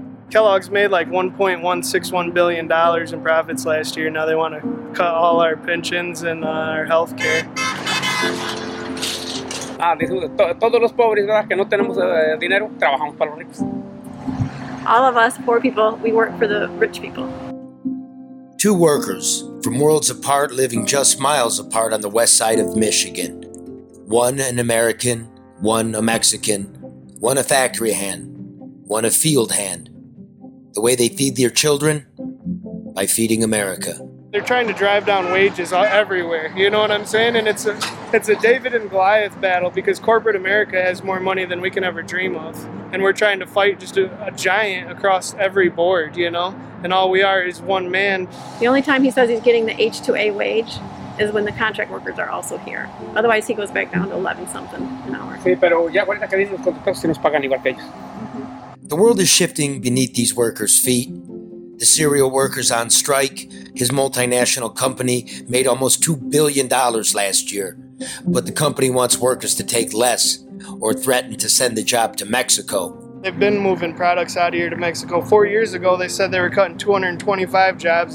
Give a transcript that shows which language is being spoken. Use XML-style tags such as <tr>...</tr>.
<en>Kellogg's made like $1.161 billion in profits last year. Now they want to cut all our pensions and our health care.</en> <es>Ah, todos los pobres, ¿verdad? Que no tenemos dinero, trabajamos para los ricos.</es> <en>All of us poor people, we work for the rich people. Two workers from worlds apart living just miles apart on the west side of Michigan. One an American, one a Mexican, one a factory hand, one a field hand. The way they feed their children? By feeding America. they're trying to drive down wages everywhere. You know what I'm saying? And it's a David and Goliath battle because corporate America has more money than we can ever dream of. And we're trying to fight just a giant across every board, you know? And all we are is one man. The only time he says he's getting the H-2A wage is when the contract workers are also here. Otherwise, he goes back down to 11-something an hour.</en> <es>Sí, pero ya ahorita que dicen los contratos, se nos pagan igual que ellos.</es> <en>The world is shifting beneath these workers' feet. The cereal workers on strike, his multinational company, made almost $2 billion last year. But the company wants workers to take less or threaten to send the job to Mexico. They've been moving products out of here to Mexico. 4 years ago, they said they were cutting 225 jobs.</en>